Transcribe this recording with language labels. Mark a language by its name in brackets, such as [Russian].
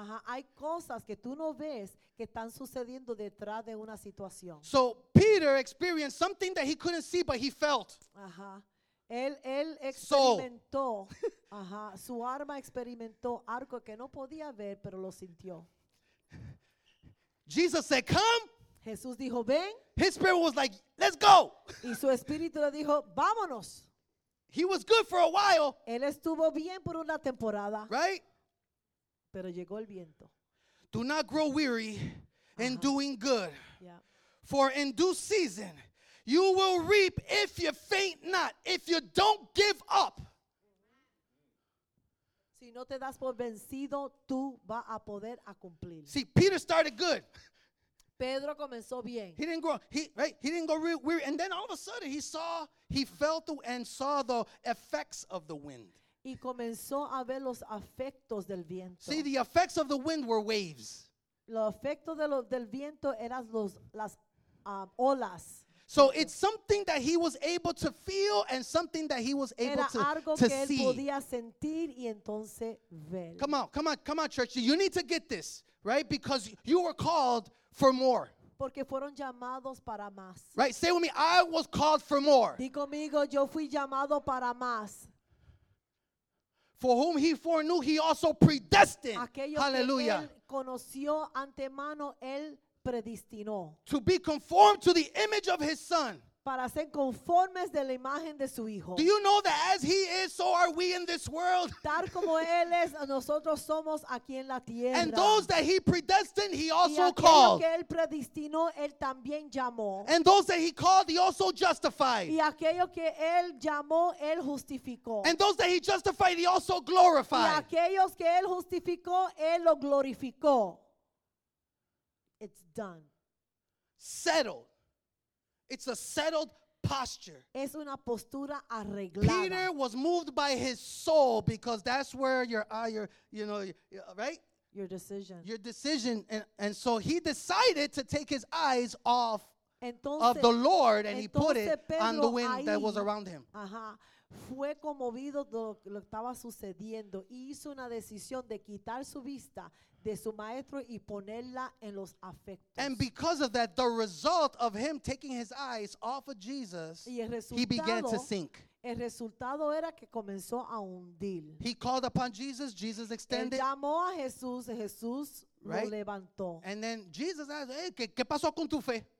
[Spanish] Hay cosas que tú no ves que están sucediendo detrás de una situación. [English] So Peter experienced something that he couldn't see, but he felt. [Spanish] Él experimentó. Su arma experimentó algo que no podía ver, pero lo sintió. [English] Jesus said, come. [Spanish] Jesús dijo, ven. [English] His spirit was like, let's go. [Spanish] Y su espíritu le dijo, vámonos. [English] He was good for a while. [Spanish] Él estuvo bien por una temporada. [English] Right? [Spanish] Pero llegó el viento. [English] Do not grow weary in doing good. Yeah. For in due season, you will reap if you faint not, if you don't give up. [Spanish] Si no te das por vencido, tú vas a poder a cumplir. [English] See, Peter started good. [Spanish] Pedro comenzó bien. [English] He didn't grow. He didn't go weary. And then all of a sudden, he felt the effects of the wind. [Spanish] Y comenzó a ver los efectos del viento. [English] See, the effects of the wind were waves. [Spanish] Los efectos del viento eran las olas. [English] So it's something that he was able to feel and something that he was able [Spanish] era algo [English] to [Spanish] que él [English] see. [Spanish] Podía sentir y entonces ver. [English] Come on, come on, come on, church. You need to get this, right? Because you were called for more. [Spanish] Porque fueron llamados para más. [English] Right, say with me, I was called for more. [Spanish] Di conmigo, yo fui llamado para más. [English] For whom he foreknew, he also predestined. [Spanish] Aquello [English] hallelujah. [Spanish] Que él conoció antemano, él predestinó. [English] To be conformed to the image of his son. [Spanish] Para ser conformes de la imagen de su hijo. [English] Do you know that as he is, so are we in this world? [Spanish] Tal como él es, nosotros somos aquí en la tierra. [English] And those that he predestined, he also [Spanish] y aquello [English] called. [Spanish] Que él predestinó, él también llamó. [English] And those that he called, he also justified. [Spanish] Y aquello que él llamó, él justificó. [English] And those that he justified, he also glorified. [Spanish] Y aquellos que él justificó, él lo glorificó. [English] It's done. Settled. It's a settled posture. [Spanish] Es una postura arreglada. [English] Peter was moved by his soul because that's where your decision. Your decision. And so he decided to take his eyes off [Spanish] entonces, [English] of the Lord and he put it [Spanish] Pedro [English] on the wind [Spanish] ahí, [English] that was around him. [Spanish] Fue conmovido de lo que estaba sucediendo. Hizo una decisión de quitar su vista de su maestro y ponerla en los afectos. [English] And because of that, the result of him taking his eyes off of Jesus, he began to sink. [Spanish] El resultado era que comenzó a hundir. [English] He called upon Jesus. Jesus extended. [Spanish] Él llamó a Jesús. Jesús [English] right? [Spanish] lo levantó. [English] And then Jesus asked, hey, [Spanish] ¿qué pasó con tu fe?